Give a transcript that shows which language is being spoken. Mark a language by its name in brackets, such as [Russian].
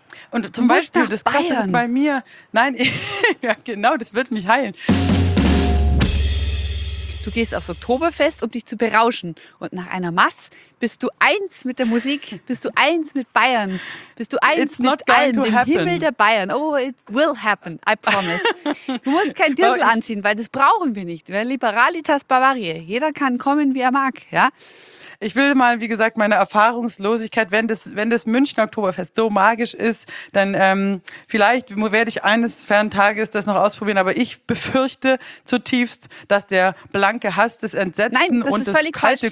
[German] Und zum Beispiel, das Krasse ist bei mir, nein, ja genau, das wird mich heilen. Du gehst aufs Oktoberfest, um dich zu berauschen. Und nach einer Mass bist du eins mit der Musik, bist du eins mit Bayern, bist du eins mit allem, dem Himmel der Bayern. [English] Oh, it will happen, I promise. [German] Du musst kein Dirndl anziehen, weil das brauchen wir nicht. Wir Liberalitas Bavariae. Jeder kann kommen, wie er mag, ja? Ich will mal, wie gesagt, meine Erfahrungslosigkeit, wenn das München Oktoberfest so magisch ist, dann vielleicht werde ich eines fernen Tages das noch ausprobieren, aber ich befürchte zutiefst, dass der blanke Hass, das Entsetzen und das kalte